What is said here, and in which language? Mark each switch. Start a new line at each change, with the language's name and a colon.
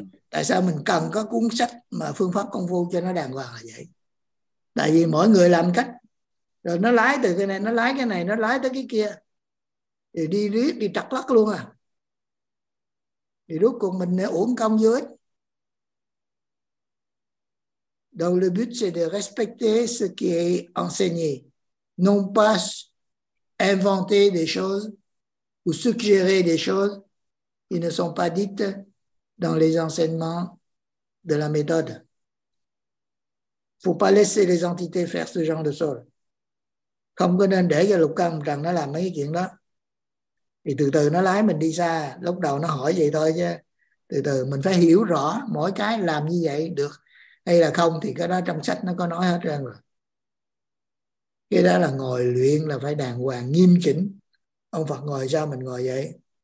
Vietnamese: Tại sao mình cần có cuốn sách mà phương pháp công phu cho nó đàng hoàng là vậy? Tại vì mỗi người làm cách rồi nó lái từ cái này, nó lái cái này, nó lái tới cái kia thì đi riết đi trật lắc luôn à, thì rốt cuộc mình nó uổng công vô ích.
French: Donc le but c'est de respecter ce qui est enseigné, non pas inventer des choses ou suggérer des choses qui ne sont pas dites dans les enseignements de la méthode. Faut pas laisser les entités faire ce genre de choses.
Vietnamese: Không có nên để cho lục căn rằng nó làm mấy cái chuyện đó. Thì từ từ nó lái mình đi xa, lúc đầu nó hỏi vậy thôi chứ. Từ từ mình phải hiểu rõ mỗi cái làm như vậy được hay là không, thì cái đó trong sách nó có nói hết trơn rồi. Cái đó là ngồi luyện là phải đàng hoàng, nghiêm chỉnh. Ông Phật ngồi sao mình ngồi vậy.